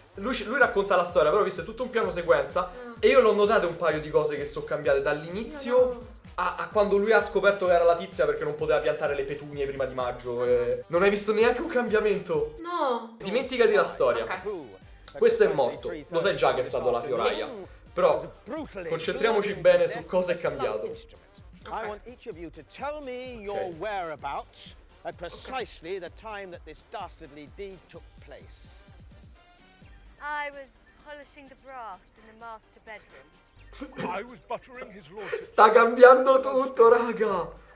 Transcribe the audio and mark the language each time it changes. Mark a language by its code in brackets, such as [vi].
[it] Lui racconta la storia, però visto è tutto un piano sequenza e io l'ho notato un paio di cose che sono cambiate dall'inizio. A quando lui ha scoperto che era la tizia perché non poteva piantare le petunie prima di maggio. Non hai visto neanche un cambiamento? No. Dimenticati la storia. Okay. Questo è morto. Lo sai già che è stato la fioraia. Sì. Però concentriamoci bene su cosa è cambiato. [en] I want each of you to tell me your whereabouts at precisely the time that this dastardly deed took place. I was polishing the brass in the master bedroom. I was buttering his lordship. [it] Sta cambiando tutto, raga.